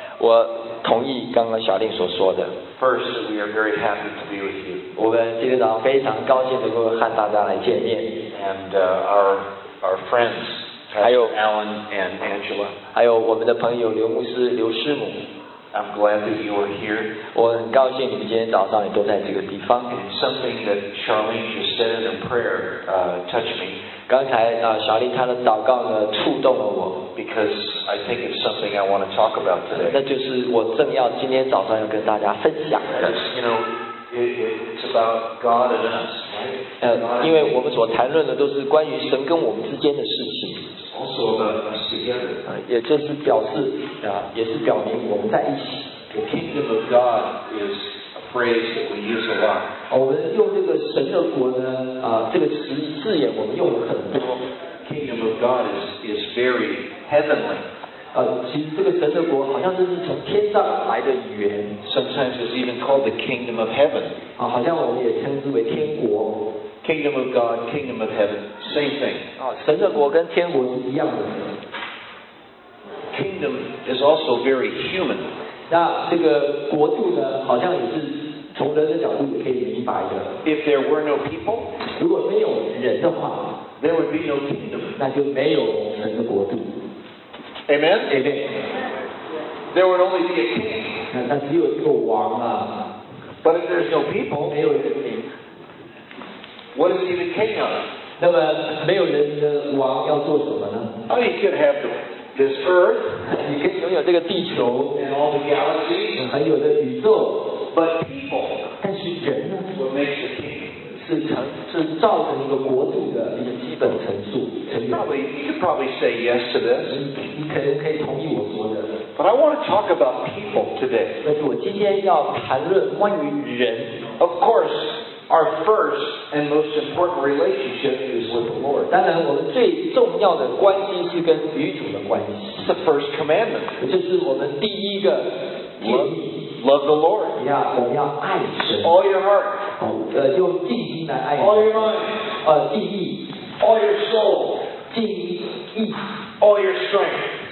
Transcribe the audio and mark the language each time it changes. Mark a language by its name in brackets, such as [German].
[Chinese] 我同意刚刚小令所说的 [English] First, we are very happy to be with you. [Chinese] 我们今天早上非常高兴能够和大家来见面。 [English] And our friends, Pastor Alan and Angela. [Chinese] 还有我们的朋友刘牧师、刘师母。 [English] I'm glad that you are here. [Chinese] 我很高兴你们今天早上也都在这个地方。 [English] And something that Charlene just said in prayer, touched me. [Chinese] 刚才小丽她的祷告呢触动了我。 [English] Because I think it's something I want to talk about today. [Chinese] 那就是我正要今天早上要跟大家分享的。 [English] Because, you know, it's about God and us, right? [Chinese] 因为我们所谈论的都是关于神跟我们之间的事情。 [English] Also about us together. [Chinese] 也就是表示啊，也是表明我们在一起。 [English] The kingdom of God is a phrase that we use a lot. [Chinese] 我们用这个神的国呢，这个词字眼我们用了很多。 [English] Kingdom of God is very heavenly. [Chinese] 其实这个神的国好像就是从天上来的语言。 [English] Sometimes it's even called the kingdom of heaven. [Chinese] 好像我们也称之为天国。 [English] Kingdom of God, kingdom of heaven, same thing. [Chinese] 神的国跟天国是一样的。 [English] Kingdom is also very human. [Chinese] 那这个国度呢，好像也是从人的角度也可以明白的。 [English] If there were no people, [Chinese] 如果没有人的话。 [English] There would be no kingdom. [Chinese] 那就没有神的国度。 [English] Amen. Amen. There would only be a king. [Chinese] 那只有一个王啊。 [English] But if there's no people. [Chinese] 没有人民。 [English] What is he the king of? [Chinese] 那么没有人的王要做什么呢？ [English] Oh, he could have this earth. [Chinese] 你可以拥有这个地球。 [English] And all the galaxies. [Chinese] 还有的宇宙。 [English] But people. [Chinese] 但是人呢？ [English] What makes the king? [Chinese] 是造成一个国度的一个基本陈述。 [English] Probably, you could probably say yes to this. [Chinese] 你可能可以同意我说的。 [English] But I want to talk about people today. [Chinese] 但是我今天要谈论关于人。 [English] Of course, our first and most important relationship is with the Lord. [Chinese] 当然，我们最重要的关系是跟与主的关系。 [English] It's the first commandment. [Chinese] 这是我们第一个。 [English] Love the Lord. [Chinese] 我们要爱神。 [English] All your heart. [Chinese] 用尽心来爱神。 [English] All your mind. [Chinese] 尽意。 [English] All your soul. [Chinese] 尽意。 [English] All your strength.